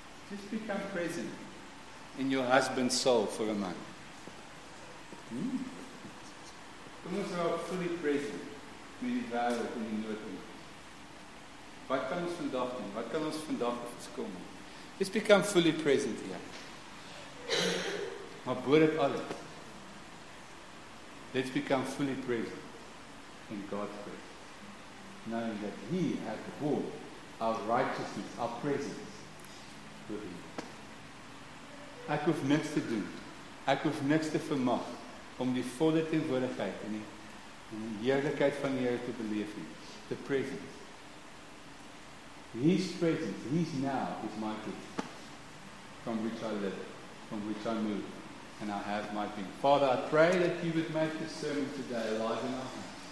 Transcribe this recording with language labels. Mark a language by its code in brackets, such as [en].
[en] Just become present in your husband's soul for a month. [af] Kom ons raak [en] fully present [af] met die wêreld en die nood. Wat kan ons vandag doen? Wat kan ons vandag verskom? [en] Just become fully present here. [af] Maar bo dit alles, [en] let's become fully present in God's presence. knowing that He has borne our righteousness, our presence with Him. [af] Ek hoef niks te doen. Ek hoef niks te vermag om die volle teenwoordigheid en die heerlikheid van die Here te beleef nie. [en] The presence. His presence, His now is my gift from which I live, from which I move, and I have my being. Father, I pray that You would make this sermon today alive in our hearts.